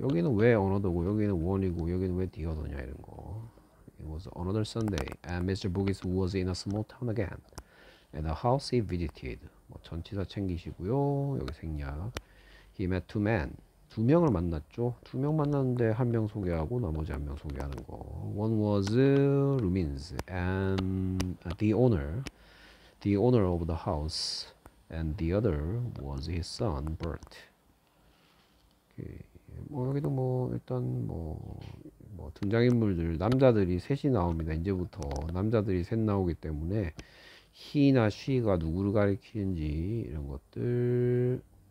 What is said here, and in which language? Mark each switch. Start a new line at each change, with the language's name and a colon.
Korean: 여기는 왜 another고, 여기는 one이고, 여기는 왜 the other냐, 이런 거.
English: It was another Sunday. And Mr. Boogies was in a small town again. And the house he visited.
Korean: 뭐, 전치사 챙기시고요. 여기 생략.
English: He met two men.
Korean: 두 명을 만났죠. 두명 만났는데 한명 소개하고 나머지 한명 소개하는 거.
English: One was Rumins and the owner of the house, and the other was his son Bert.
Korean: 오케이. 뭐 여기도 뭐 일단 뭐 등장인물들 남자들이 셋이 나옵니다. 이제부터 남자들이 셋 나오기 때문에 he나 she가 누구를 가리키는지 이런 것들.